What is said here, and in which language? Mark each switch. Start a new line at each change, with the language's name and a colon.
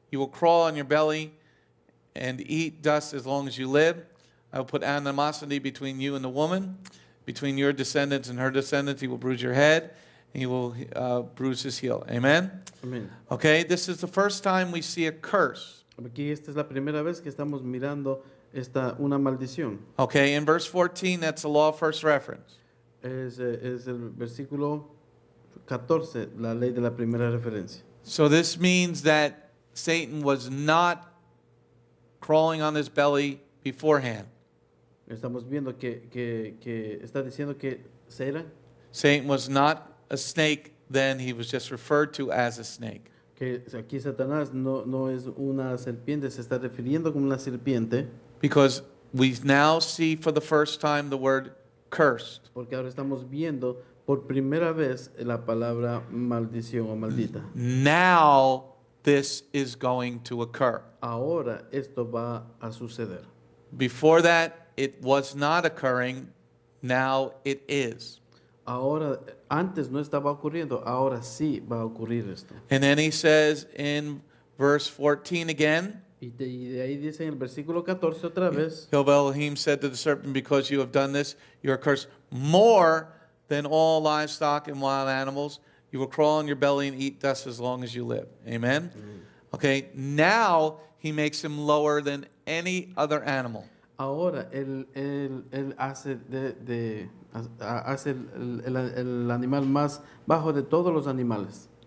English: You will crawl on your belly and eat dust as long as you live. I will put animosity between you and the woman, between your descendants and her descendants. He will bruise your head, and he will bruise his heel. Amen? Amen. Okay, this is the first time we see a curse.
Spanish: Aquí esta es la primera vez que estamos mirando esta una maldición.
English: Okay, in verse 14, that's the law of first reference.
Spanish: Es el versículo 14, la ley de la primera referencia.
English: So this means that Satan was not crawling on his belly beforehand.
Spanish: Estamos viendo que está diciendo que Satan.
English: Satan was not a snake then, he was just referred to as a snake.
Spanish: Que aquí Satanás no es una serpiente, se está refiriendo como una serpiente.
English: Because we now see for the first time the word cursed.
Spanish: Porque ahora estamos viendo por primera vez la palabra maldición o maldita.
English: Now this is going to occur.
Spanish: Ahora esto va a suceder.
English: Before that it was not occurring, now it is.
Spanish: Ahora, antes no estaba ocurriendo, ahora sí va a ocurrir esto.
English: And then he says in verse 14 again.
Spanish: Y de ahí dice en el versículo 14 otra vez.
English: Job Elohim said to the serpent, because you have done this, you are cursed more than all livestock and wild animals. You will crawl on your belly and eat dust as long as you live. Amen? Mm-hmm. Okay, now he makes him lower than any other animal.
Spanish: Ahora él hace de hace el animal más bajo de todos los animales.